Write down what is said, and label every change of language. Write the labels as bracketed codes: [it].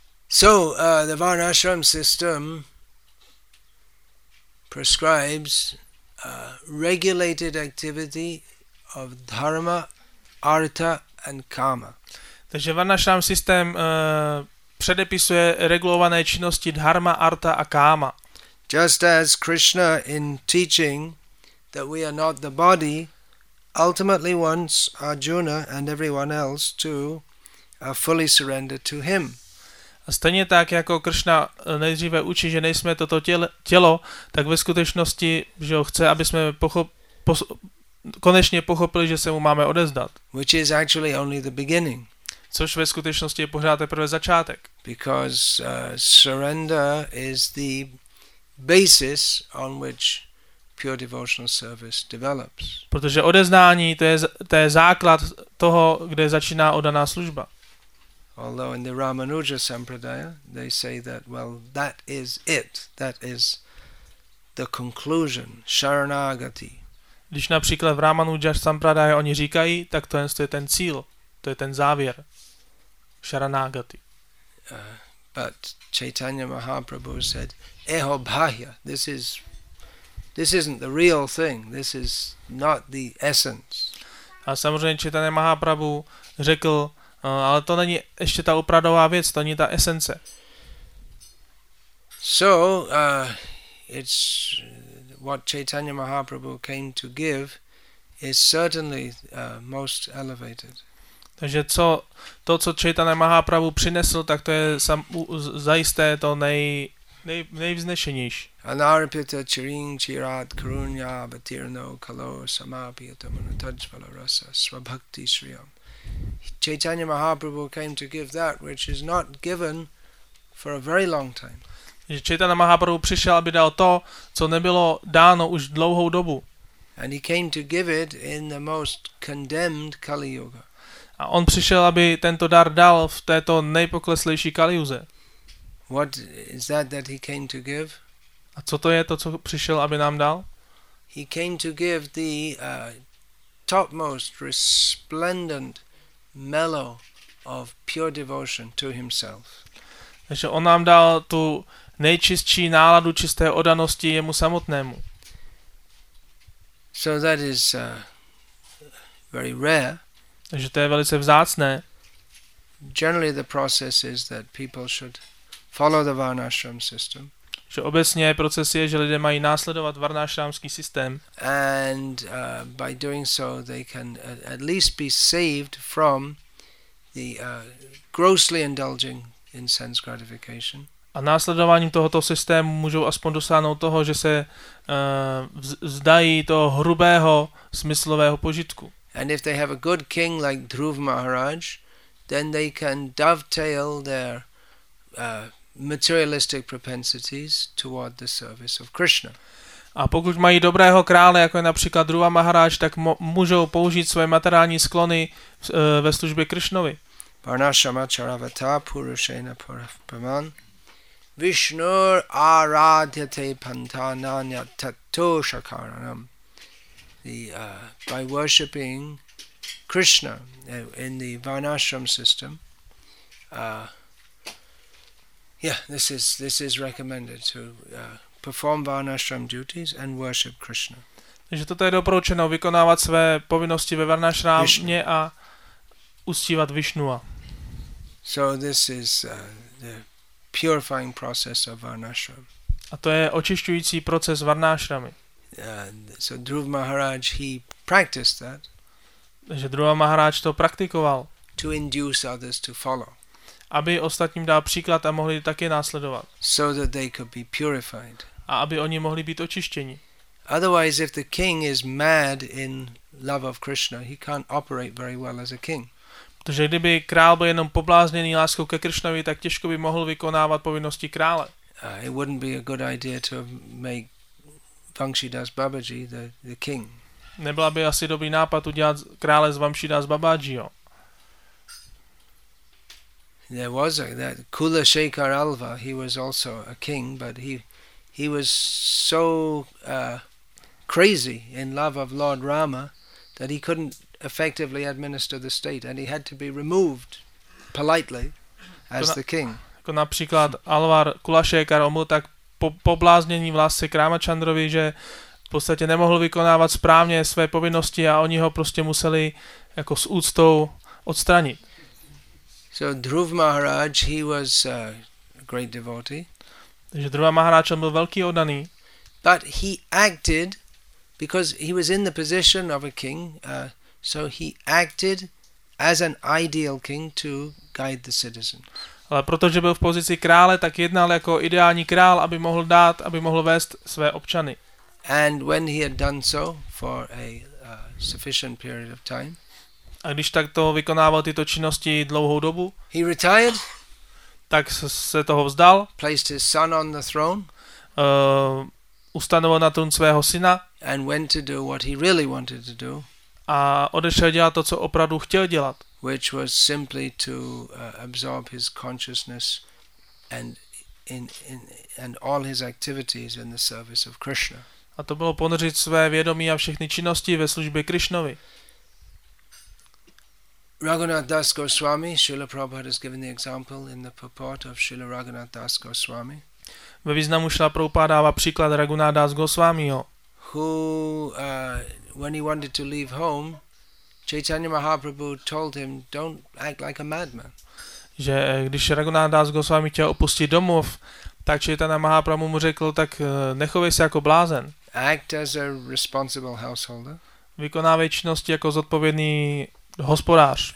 [en] So, the Varnashram system prescribes regulated activity of dharma, artha and kama. [cs] Takže Varnashram systém předepisuje regulované činnosti dharma, artha a káma. [en] Just as Krishna in teaching that we are not the body ultimately wants Arjuna and everyone else to fully surrender to him. [cs] A stejně tak, jako Kršna nejdříve učí, že nejsme toto tělo, tak ve skutečnosti, že ho chce, aby jsme konečně pochopili, že se mu máme odezdat. [en] Which is actually only the beginning. [cs] Což ve skutečnosti je pořád teprve začátek. [en] Because surrender is the basis on which pure devotional service develops. [cs] Protože odeznání to je základ toho, kde začíná oddaná služba. [en] Although in the Ramanuja Sampradaya they say that well that is it, that is the conclusion, Sharanagati. [cs] Když například v Ramanuja Sampradaya oni říkají, tak to je ten cíl, to je ten závěr, Sharanagati. [en] But Chaitanya Mahaprabhu said, [bn] "Eho bhaya, [en] this isn't the real thing. This is not the essence." [cs] A samozřejmě Chaitanya Mahaprabhu řekl, ale to není ještě ta opravdová věc, to není ta esence. [en] So, it's what Chaitanya Mahaprabhu came to give is certainly most elevated. [cs] Takže co Chaitanya Mahaprabhu přinesl, tak to je zajisté to nejvznešenější. [sa] Anaripita chiring chirat karunya batirno kalo samapiyata manutajvala rasa swabhakti shriyam. [en] Chaitanya Mahaprabhu came to give that which is not given for a very long time. [cs] Takže Chaitanya Mahaprabhu přišel, aby dal to, co nebylo dáno už dlouhou dobu. [en] And he came to give it in the most condemned Kali Yuga. [cs] A on přišel, aby tento dar dal v této nejpokleslejší kaliuze. [en] What is that he came to give? [cs] A co to je to, co přišel, aby nám dal? [en] He came to give the topmost resplendent mellow of pure devotion to himself. [cs] Takže on nám dal tu nejčistší náladu čisté oddanosti jemu samotnému. [en] So that is very rare. [cs] Takže to je velice vzácné. [en] Generally the process is that people should follow the varnashram system. [cs] Že obecně proces je, že lidé mají následovat varnashramský systém. [en] And by doing so they can at least be saved from the grossly indulging in sense gratification. [cs] A následováním tohoto systému můžou aspoň dosáhnout toho, že se vzdají toho hrubého smyslového požitku. [en] And if they have a good king like Dhruva Maharaj, then they can dovetail their materialistic propensities toward the service of Krishna. [cs] A pokud mají dobrého krále, jako je například Dhruva Maharaj, tak můžou použít svoje materiální sklony ve službě Krishnovi. [sa] Varnashrama charavata purushena parapraman Vishnur aradhyate pantananya tato shakaranam. [en] By worshipping Krishna in the Varnashram system, this is recommended to perform Varnashram duties and worship Krishna. [cs] Takže toto je doporučeno vykonávat své povinnosti ve Varnashramě a uctívat Vishnua. [en] So this is the purifying process of Varnashram. [cs] A to je očišťující proces Varnashramy. [en] So Dhruva Maharaj he practiced that. [cs] Takže Dhruva Maharaj to praktikoval. [en] To induce others to follow. [cs] Aby ostatním dal příklad a mohli taky následovat. [en] So that they could be purified. [cs] A aby oni mohli být očištěni. [en] Otherwise if the king is mad in love of Krishna, he can't operate very well as a king. [cs] Protože kdyby král byl jenom poblázněný láskou ke Krishnovi, tak těžko by mohl vykonávat povinnosti krále. [en] It wouldn't be a good idea to make Vamsidas Babaji the king. [cs] Nebyla by asi dobrý nápad udělat krále z Vamsidas Babajiho. [en] There was that Kulashekhar Alva, he was also a king, but he was so crazy in love of Lord Rama that he couldn't effectively administer the state and he had to be removed politely as the king. [cs] Jako například Alvar Kulashekhar on byl tak pobláznění v lásce k Ramachandrovi, že v podstatě nemohl vykonávat správně své povinnosti a oni ho prostě museli jako s úctou odstranit. [en] So Dhruva Maharaj, he was a great devotee. [cs] Takže Dhruva Maharaj byl velký oddaný. [en] But he acted because he was in the position of a king, so he acted as an ideal king to guide the citizen. [cs] Ale protože byl v pozici krále, tak jednal jako ideální král, aby mohl dát, aby mohl vést své občany. [en] And when he had done so for a sufficient period of time. [cs] A když takto vykonával tyto činnosti dlouhou dobu, [en] he retired, [cs] tak se toho vzdal. [en] Placed his son on the throne. [cs] Ustanovil na trůn svého syna. [en] And went to do what he really wanted to do. [cs] A odešel dělat to, co opravdu chtěl dělat. [en] Which was simply to absorb his consciousness and in all his activities in the service of Krishna. [cs] A to bylo ponořit své vědomí a všechny činnosti ve službě Krishnovi. [en] Raghunath Das Goswami, Srila Prabhupada has given the example in the purport of Srila Raghunath Das Goswami. [cs] Ve významu Srila Prabhupada dává příklad Raghunath Das Goswamiho. [en] Who, when he wanted to leave home, Chaitanya Mahaprabhu told him, don't act like a madman. [cs] Že když Raghunath Das Goswami chtěl opustit domov, tak Chaitanya Mahaprabhu mu řekl, tak nechovej se jako blázen. [en] Act as a responsible householder. [cs] Vykonávej činnosti jako zodpovědný hospodář.